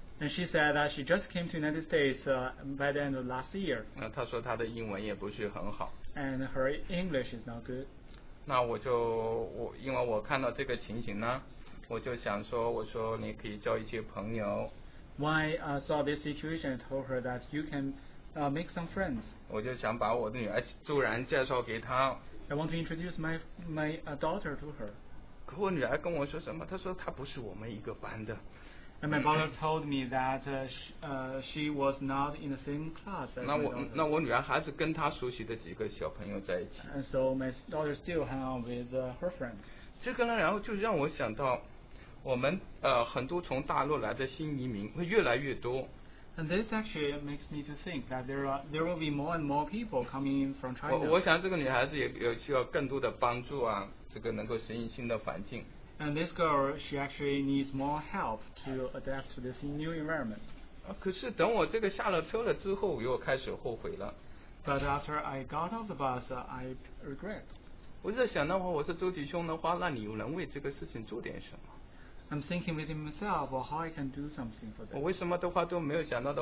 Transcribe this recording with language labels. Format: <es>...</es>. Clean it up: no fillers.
<en>And she said that she just came to United States by the end of last year.</en> <zh>她说她的英文也不是很好。</zh> <en>And her English is not good.</en> <zh>那我就因为我看到这个情形呢，我就想说，我说你可以交一些朋友。</zh> <en>When I saw this situation, I told her that you can make some friends.</en> <zh>我就想把我的女儿骤然介绍给她。</zh> <en>I want to introduce my daughter to her.</en> <zh>可我女儿跟我说什么？她说她不是我们一个班的。</zh> <en>And my brother told me that she was not in the same class.</en> <zh>那我女儿还是跟她熟悉的几个小朋友在一起。</zh> <en>And so my daughter still hung out with her friends.</en> <zh>这个呢，然后就让我想到，我们很多从大陆来的新移民会越来越多。</zh> <en>And this actually makes me to think that there will be more and more people coming in from China.</en> <zh>我想这个女孩子也需要更多的帮助啊，这个能够适应新的环境。</zh> <en>And this girl, she actually needs more help to adapt to this new environment.</en> <zh>可是等我这个下了车了之后，我又开始后悔了。</zh> <en>But after I got off the bus, I regret.</en> <zh>我在想的话，我说周弟兄的话，那你能为这个事情做点什么？</zh> <en>I'm thinking within myself, well, how I can do something for them.</en>